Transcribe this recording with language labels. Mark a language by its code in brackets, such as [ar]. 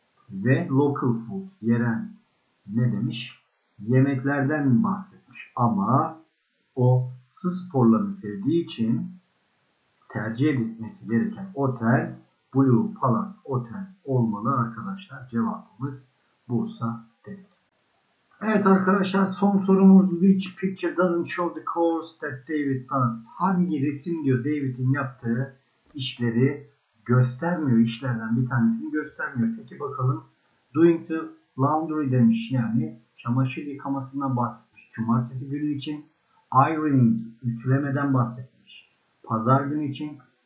[tr] Ve [en] local food, [tr] yerel ne demiş? Yemeklerden bahsetmiş. Ama o su sporlarını sevdiği için tercih edilmesi gereken otel Blue Palace Otel olmalı arkadaşlar. Cevabımız Bursa dedik. Evet arkadaşlar, son sorumuz: [en] Which picture doesn't show the course that David does? [tr] Hangi resim diyor David'in yaptığı işleri göstermiyor, işlerden bir tanesini göstermiyor. Peki bakalım. [en] Doing the laundry [tr] demiş, yani çamaşır yıkamasından bahsetmiş. Cumartesi günü için. Ironing, ütülemeden bahsetmiş. Pazar günü için.